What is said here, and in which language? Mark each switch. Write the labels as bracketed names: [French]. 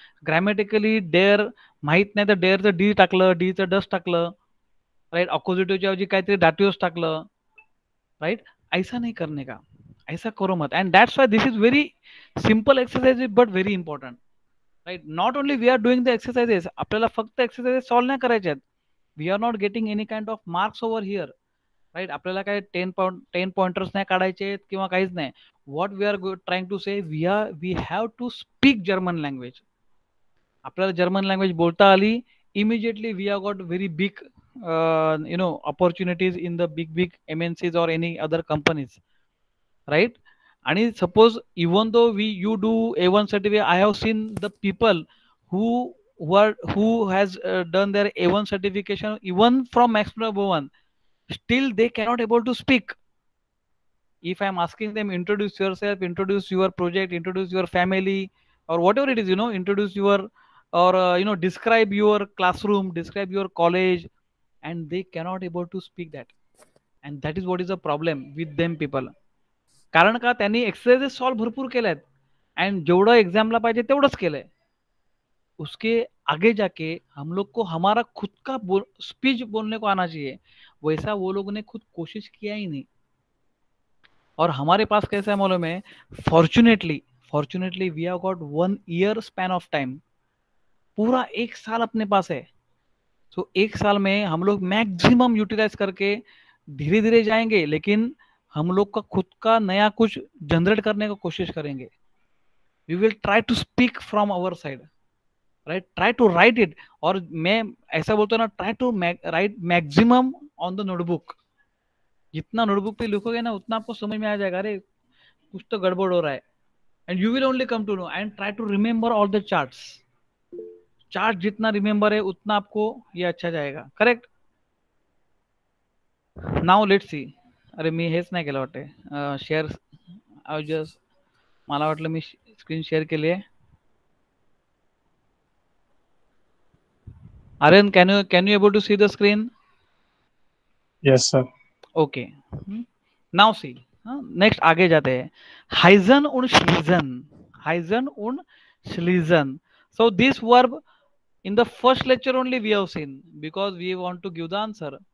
[Marathi] Grammatically dare माहीत नाही तर डेअरचं डी टाकलं, डीचं डस्ट टाकलं, राईट, ऑपोजिटिव्हच्या ऐवजी काहीतरी डाटिओस टाकलं, राईट. [Hindi] ऐसा नाही करणे का, ऐसा करू मत. [English] And that's why this is very simple exercise but very important, right. Not only we are doing the exercises, [Marathi] आपल्याला फक्त एक्सरसाइजेस सॉल्व्ह नाही करायचे आहेत. [English] We are not getting any kind of marks over here, right. [Marathi] आपल्याला काही 10 pointers नाही काढायचे आहेत किंवा काहीच नाही. [English] What we are trying to say, we have to speak German language. [Marathi] आपल्याला जर्मन लँग्वेज बोलता आली, [English] Immediately we are got very big you know opportunities in the big big MNCs or any other companies, right. आणि suppose even though we you do A1 certificate, I have seen the people who has done their A1 certification even from maximum Bhavan, still they cannot able to speak. If I am asking them introduce yourself, introduce your project, introduce your family or whatever it is, you know introduce your or you know describe your classroom, describe your college, and they cannot able to speak that, and that is what is a problem with them people. [Marathi] कारण का, त्यांनी exercises solve भरपूर केले आहेत and जेवढं एक्झामला पाहिजे तेवढंच केलं आहे. [Hindi] उसके आगे जाके हम लोग को हमारा खुद का स्पीच बोलने को आना चाहिए, वैसा वो लोगों ने खुद कोशिश किया ही नहीं. और हमारे पास कैसा है मालूम है, [English] fortunately we have got 1 year span of time, [Hindi] पूरा 1 साल अपने पास है. सो 1 साल में हम लोग मैक्सिमम यूटिलाइज करके धीरे धीरे जाएंगे, लेकिन हम लोग का खुद का नया कुछ जनरेट करने का कोशिश करेंगे. [English] We will try to speak from our side, right, try to write it. [Hindi] और मैं ऐसा बोलता हूँ ना, [English] Try to write maximum on the notebook. [Hindi] जितना नोटबुक पे लिखोगे ना उतना आपको समझ में आ जाएगा, अरे कुछ तो गड़बड़ हो रहा है. [English] And you will only come to know and try to remember all the charts. [Hindi] Chart जितना रिमेंबर है उतना आपको ये अच्छा जाएगा, [English] Correct. Now let's see, [Marathi] अरे मी हेच नाही केलं वाटते शेअर, आय जस्ट मला वाटलं मी स्क्रीन शेअर केली आहे. [English] Aryan, can you able to see the screen? Yes, sir. Okay. Now see. Next, [Hindi] आगे जाते हैं. [German] Heisen und Schlesen. Heisen und Schlesen. [English] So this verb in the first lecture only we have seen because we want to give the answer.